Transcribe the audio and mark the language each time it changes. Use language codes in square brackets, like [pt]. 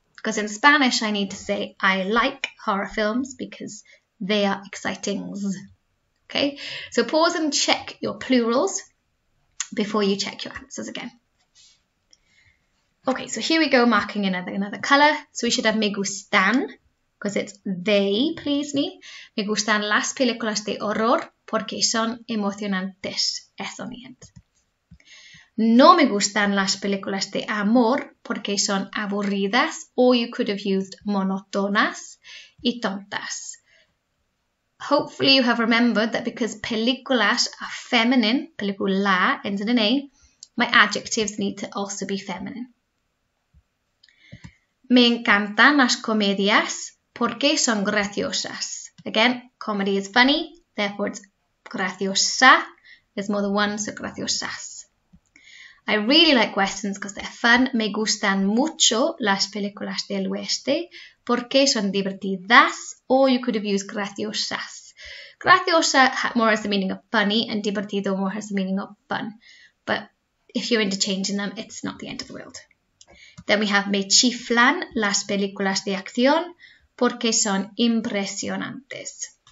[en] Because in Spanish, I need to say I like horror films because they are exciting. Okay, so pause and check your plurals before you check your answers again. Okay, so here we go, marking another colour. So we should have [es] me gustan, [en] because it's they please me. [es] Me gustan las películas de horror porque son emocionantes. Eso mi gente. No me gustan las películas de amor porque son aburridas. [en] Or you could have used [es] monotonas y tontas. [en] Hopefully you have remembered that because películas are feminine, película ends in an A, my adjectives need to also be feminine. [es] Me encantan las comedias porque son graciosas. [en] Again, comedy is funny, therefore it's graciosa. There's more than one, so graciosas. I really like westerns because they're fun. [es] Me gustan mucho las películas del oeste porque son divertidas. [en] Or you could have used graciosas. Graciosa more has the meaning of funny and divertido more has the meaning of fun. But if you're interchanging them, it's not the end of the world. Then we have [es] me chiflan las películas de acción porque son impresionantes.